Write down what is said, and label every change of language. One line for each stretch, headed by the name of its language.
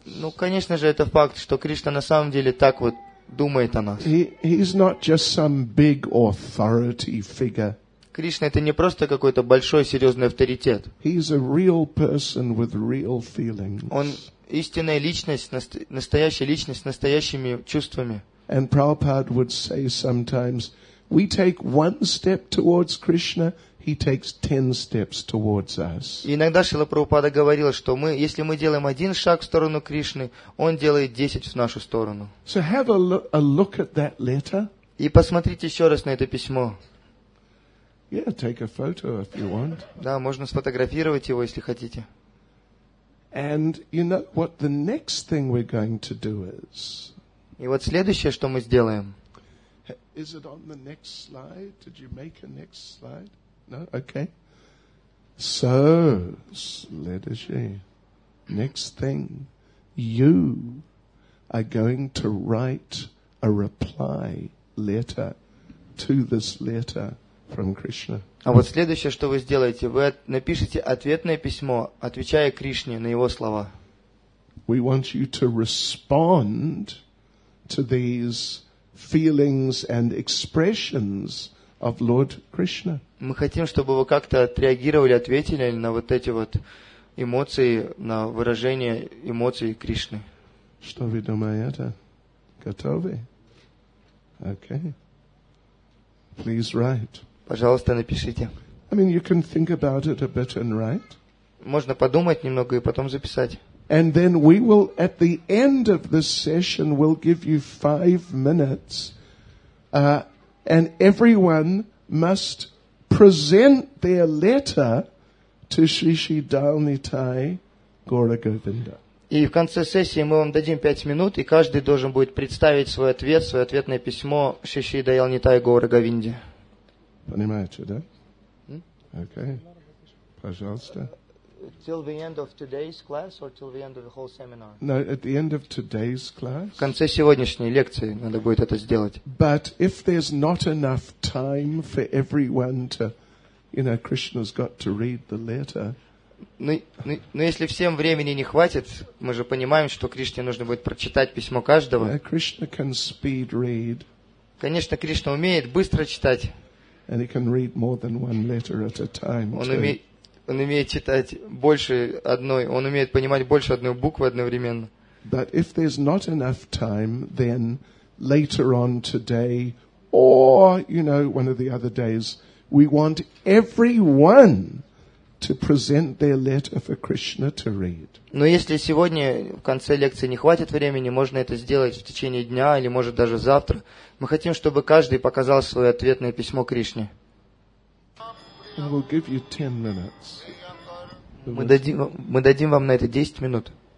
Russian: Ну, конечно же, это факт, что Кришна на самом деле так вот думает о нас.
English: He's not just some big authority figure.
Russian: Кришна это не просто какой-то большой серьезный авторитет.
English: He's a real person with real feelings.
Russian: Он истинная личность, настоящая личность с настоящими чувствами.
English: And Prabhupada would say sometimes, we take one step towards Krishna, he takes 10 steps towards us.
Russian: Иногда Шрила Прабхупада говорил, что мы, если мы делаем один шаг в сторону Кришны, он делает 10 в нашу сторону.
English: So have a look at that letter.
Russian: И посмотрите еще раз на это письмо.
English: Yeah, take a photo if you want.
Russian: Да, можно сфотографировать его, если хотите.
English: And you know what the next thing we're going to do is?
Russian: И вот следующее, что мы сделаем.
English: Is it on the next slide? Did you make a next slide? No? Okay. So,
Russian: следующее.
English: Next thing. You are going to write a reply letter to this letter from Krishna.
Russian: А вот следующее, что вы сделаете, вы напишите ответное письмо, отвечая Кришне на его слова.
English: We want you to respond to these feelings and expressions of Lord Krishna.
Russian: Мы хотим, чтобы вы как-то отреагировали, ответили на вот эти вот эмоции, на выражение эмоций Кришны. Что вы думаете? Готовы?
English: Okay. Please write.
Russian: Пожалуйста, напишите.
English: I mean, you can think about it a bit and write.
Russian: Можно подумать немного и потом записать.
English: And then we will, at the end of this session, we'll give you 5 minutes, and everyone must present their letter to Shri Shri Dalnitai Gaura Govinda.
Russian: И в конце сессии мы вам дадим 5 минут, и каждый должен будет представить свой ответ, свое ответное письмо Шри Шри Дайалнитай Гаура Говинде. Понимаете, да? Okay. Пожалуйста.
English: Till the end of today's class or till the end of the whole seminar? No, at the end of today's class.
Russian: В конце сегодняшней лекции надо будет это сделать.
English: But if there's not enough time for everyone to, you know, Krishna's got to read the letter.
Russian: Но если всем времени не хватит, мы же понимаем, что Кришне нужно будет прочитать письмо каждого.
English: Yeah, Krishna can speed read.
Russian: Конечно, Кришна умеет быстро читать.
English: And he can read more than one letter at a time.
Russian: Он умеет читать больше одной, он умеет понимать больше одной буквы одновременно.
English: But if there's not enough time, then later on today, or, you know, one of the other days, we want everyone to present their letter for Krishna to read.
Russian: Но если сегодня в конце лекции не хватит времени, можно это сделать в течение дня или может даже завтра. Мы хотим, чтобы каждый показал свое ответное письмо Кришне.
English: We'll give you 10 minutes.
Russian: Мы дадим вам на это 10 минут.